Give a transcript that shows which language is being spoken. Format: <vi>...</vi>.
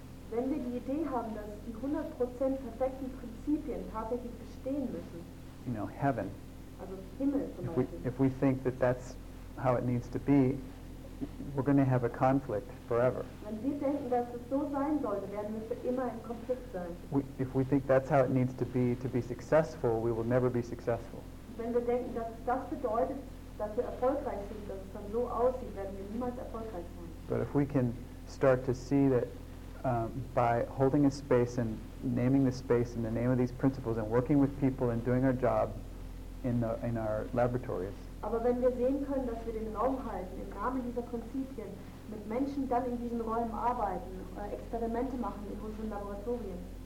<de>Wenn wir die Idee haben, dass die 100% perfekten Prinzipien tatsächlich bestehen müssen.</de> <en>You know, heaven.</en> <de>Also Himmel, zum Beispiel.</de> <en>If we think that that's how it needs to be, we're going to have a conflict forever.</en> <de>Wenn wir denken, dass es so sein sollte, werden wir für immer ein Konflikt sein.</de> <en>If we think that's how it needs to be successful, we will never be successful.</en> <de>Wenn wir denken, dass es das bedeutet, dass wir erfolgreich sind, dass es dann so aussieht, werden wir niemals erfolgreich sein.</de> <en>But if we can start to see that by holding a space and naming the space in the name of these principles and working with people and doing our job in our laboratories,</en> <de>aber wenn wir sehen können, dass wir den Raum halten, im Rahmen dieser Prinzipien, mit Menschen dann in diesen Räumen arbeiten, Experimente machen in unseren Laboratorien,</de>